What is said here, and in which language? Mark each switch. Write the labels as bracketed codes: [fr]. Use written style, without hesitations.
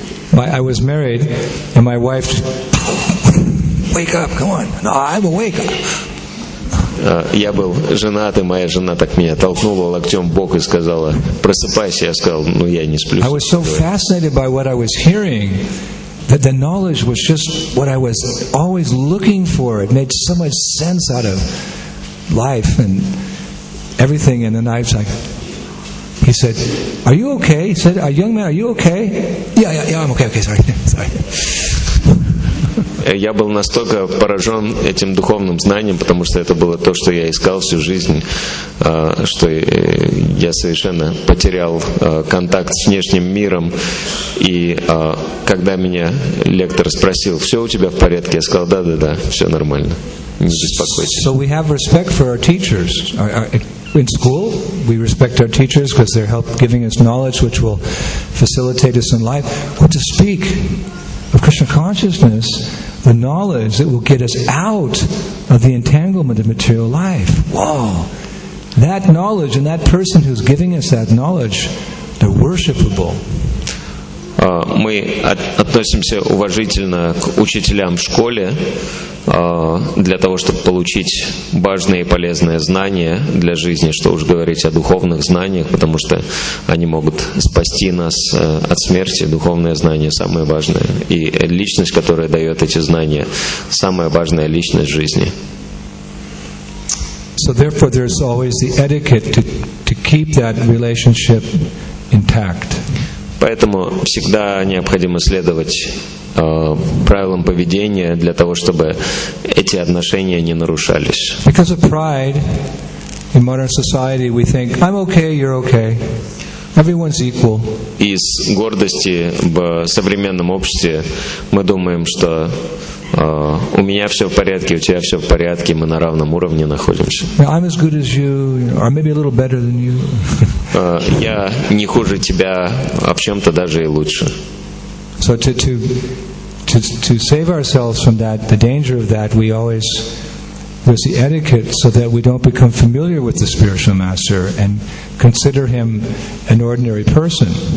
[en] I was married, and my wife, wake up, come on, no, I'm awake. [ru] Я был женат, и моя жена так меня толкнула локтем в бок и сказала: «Просыпайся». Я сказал: «Ну, я не сплю». [en] I was so fascinated by what I was hearing, that the knowledge was just what I was always looking for. It made so much sense out of life and everything. And then I was like, he said, are you okay? He said, young man, are you okay? Yeah, I'm okay, sorry. [ru] Я был настолько поражен этим духовным знанием, потому что это было то, что я искал всю жизнь, что я совершенно потерял контакт с внешним миром. И когда меня лектор спросил: «Все у тебя в порядке?» Я сказал: «Да, все нормально, не беспокойтесь». [en] So we have respect for our teachers. In school, we respect our teachers because they're help giving us knowledge which will facilitate us in life. But to speak of Krishna consciousness, the knowledge that will get us out of the entanglement of material life. Wow! That knowledge and that person who's giving us that knowledge, they're worshipable. [ru] Мы относимся уважительно к учителям в школе для того, чтобы получить важные и полезные знания для жизни, что уж говорить о духовных знаниях, потому что они могут спасти нас от смерти. Духовные знания — самое важное. И личность, которая дает эти знания, самая важная личность в жизни. [en] So therefore there's always the etiquette to keep that relationship intact. [ru] Поэтому всегда необходимо следовать правилам поведения для того, чтобы эти отношения не нарушались. [en] Because of pride in modern society, we think I'm okay, you're okay, everyone's equal. [ru] Из гордости в современном обществе мы думаем, что у меня все в порядке, у тебя все в порядке, мы на равном уровне находимся. [en] Yeah, I'm as good as you, or maybe a little better than you. [ru] Я не хуже тебя, а в чем-то даже и лучше. [en] So to save ourselves from that, the danger of that, we always there's the etiquette so that we don't become familiar with the spiritual master and consider him an ordinary person.